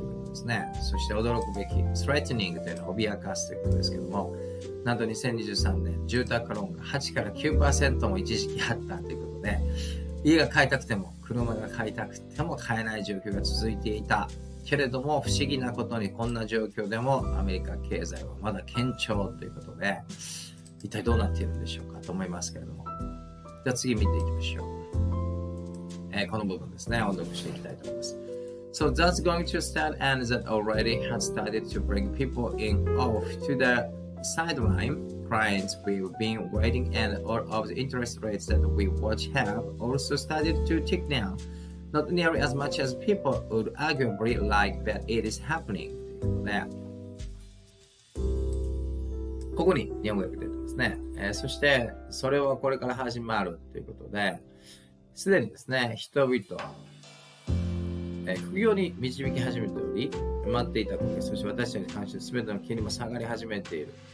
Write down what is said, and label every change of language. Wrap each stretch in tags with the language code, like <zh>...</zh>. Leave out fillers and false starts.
<ja>ですね、そして驚くべき threatening というのを脅かすということですけどもなんと2023年住宅ローンが8から 9% も一時期あったということで家が買いたくても車が買いたくても買えない状況が続いていたけれども不思議なことにこんな状況でもアメリカ経済はまだ堅調ということで一体どうなっているんでしょうかと思いますけれどもじゃあ次見ていきましょう。この部分ですね音読していきたいと思います。</ja> <en>So that's going to start and that already has started to bring people in off to the sideline. Clients we've been waiting and all of the interest rates that we watch have also started to tick down. Not nearly as much as people would arguably like, but it is happening.</en> <ja>ここに日本語訳出てますね。そしてそれはこれから始まるということで、すでにですね、人々副業に導き始めており待っていたことです。そして私たちに関して全ての金利も下がり始めている。</ja>